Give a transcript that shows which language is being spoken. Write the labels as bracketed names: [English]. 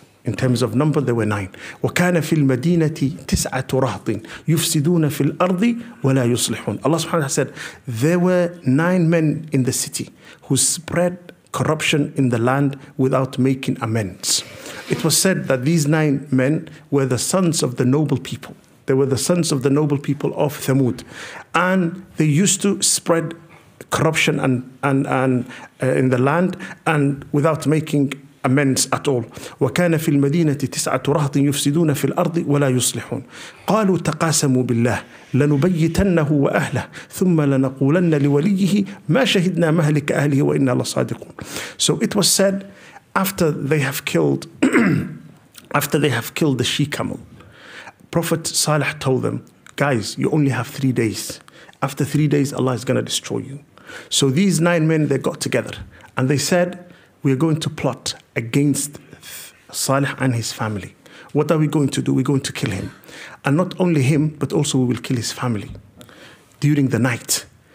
[English] In terms of number, there were nine. [Arabic] وَكَانَ فِي الْمَدِينَةِ تِسْعَةُ رَهْطٍ يُفْسِدُونَ فِي الْأَرْضِ وَلَا يُصْلِحُونَ [English] Allah subhanahu wa ta'ala said, there were nine men in the city who spread corruption in the land without making amends. It was said that these nine men were the sons of the noble people. They were the sons of the noble people of Thamud. And they used to spread corruption and in the land and without making amends at all. [Arabic] وَكَانَ فِي الْمَدِينَةِ تِسْعَةُ رَهْطٍ يُفْسِدُونَ فِي الْأَرْضِ وَلَا يُصْلِحُونَ قَالُوا تَقَاسَمُوا بِاللَّهِ لَنُبَيِّتَنَّهُ وَأَهْلَهُ ثُمَّ لَنَقُولَنَّ لِوَلِيِّهِ مَا شَهِدْنَا مَهْلِكَ أَهْلِهِ وَإِنَّا لَصَادِقُونَ [English] So it was said after they have killed the she camel, Prophet Salih told them, guys, you only have 3 days. After 3 days, Allah is going to destroy you. So these nine men, they got together and they said, we are going to plot against Salih and his family. What are we going to do? We're going to kill him. And not only him, but also we will kill his family during the night.